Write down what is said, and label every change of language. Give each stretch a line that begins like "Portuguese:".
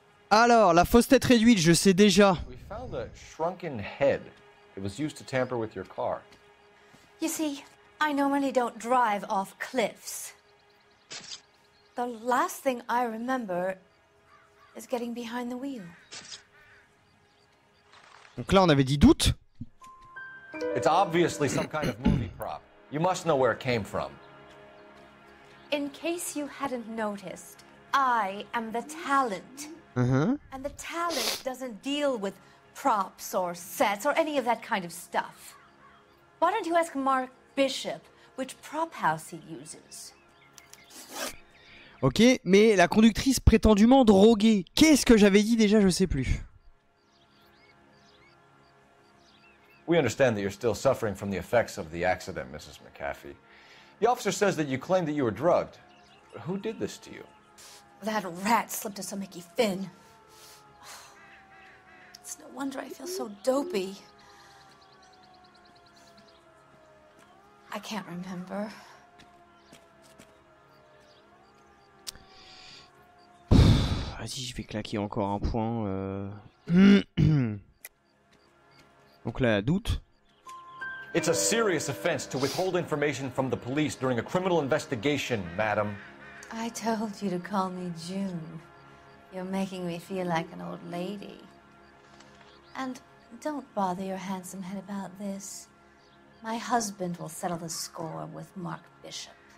French: Alors, la fausse tête réduite, je sais déjà.
English: We found a shrunken head. It was used to tamper with your car. You see, I normally don't drive off cliffs. The last thing I remember is getting behind the wheel.
French: Donc là, on avait dit doute.
English: It's obviously some kind of movie prop. You must know where it came from. In case you hadn't noticed, I am the talent. And the talent doesn't deal with props or sets or any of that kind of stuff. Why don't you ask Mark Bishop which prop house he uses?
French: Ok, mais la conductrice prétendument droguée. Qu'est-ce que j'avais dit déjà, je sais plus.
English: We understand that you're still suffering from the effects of the accident, Mrs. McAfee. The officer says that you claimed that you were drugged. Who did this to you? That rat slipped us a Mickey Finn. It's no wonder I feel so dopey. I can't remember.
French: Vas-y, je vais claquer encore un point. Donc là, doute.
English: It's a serious offense to withhold information from the police during a criminal investigation, madam. I told you to call me June. You're making me feel like an old lady. And don't bother your handsome head about this. My husband will settle the score with Mark Bishop.